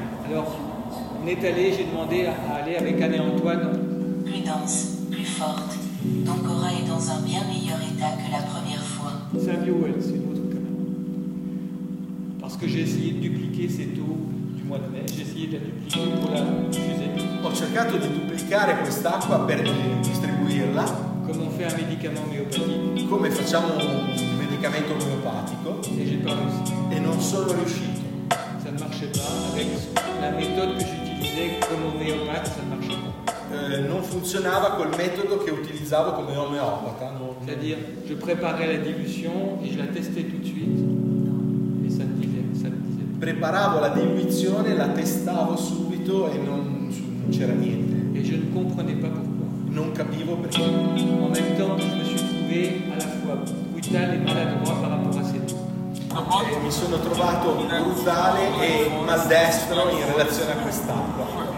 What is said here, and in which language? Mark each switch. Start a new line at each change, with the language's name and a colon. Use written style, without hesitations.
French: Alors, on est allé, j'ai demandé à aller avec Anne et Antoine. Plus dense, plus forte. Ton corps est dans un bien meilleur état que la première fois. C'est un vieux well, c'est une autre caméra. Parce que j'ai essayé de dupliquer cette eau du mois de mai. J'ai essayé de la dupliquer pour la diffuser.
Italian: Ho cercato di duplicare quest'acqua per distribuirla.
French: Comme on fait un médicament homéopathique.
Italian: Come facciamo un medicamento omeopatico.
French: Et j'ai pas réussi.
Italian: E non sono riuscito.
French: Ça ne marchait pas avec la méthode que j'utilise. utilisais comme homéopathe, ça ne marche pas.
Italian: Non funzionava col metodo che utilizzavo come omeopata. Non...
French: C'est-à-dire, je préparais la diluition et je la testais tout de suite. Et ça ne disait, ça ne disait.
Italian: Preparavo la diluizione, la testavo subito e non c'era niente.
French: Et je ne comprenais pas pourquoi.
Italian: Non capivo perché.
French: En même temps, je me suis trouvé à la fois brutal et maladroit par rapport à cette.
Italian: Mi sono trovato brutale e maldestro in relazione a quest'acqua.